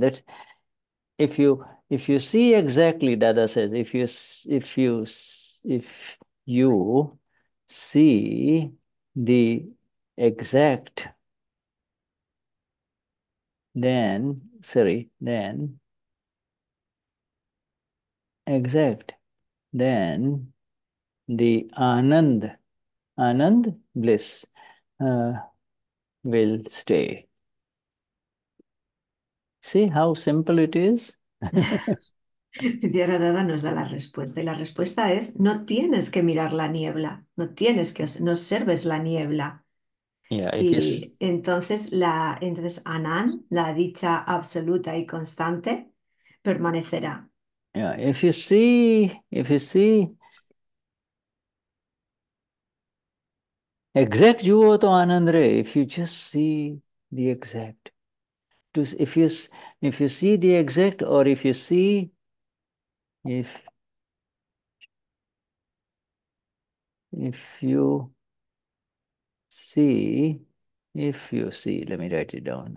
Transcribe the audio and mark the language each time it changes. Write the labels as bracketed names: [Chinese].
[English] That if you see exactly, Dada says, if you see the exact, then sorry, then exact, then the anand bliss will stay. See how simple it is? [Spanish] Y ahora Dada nos da la respuesta. Y la respuesta es, no tienes que mirar la niebla, no tienes que, no observes la niebla. [English] If you [Spanish] Y entonces, entonces Anand, la dicha absoluta y constante, permanecerá. [English] if you see exact you are to Anandre, if you just see the exact. If you see the exact, or if you see, let me write it down.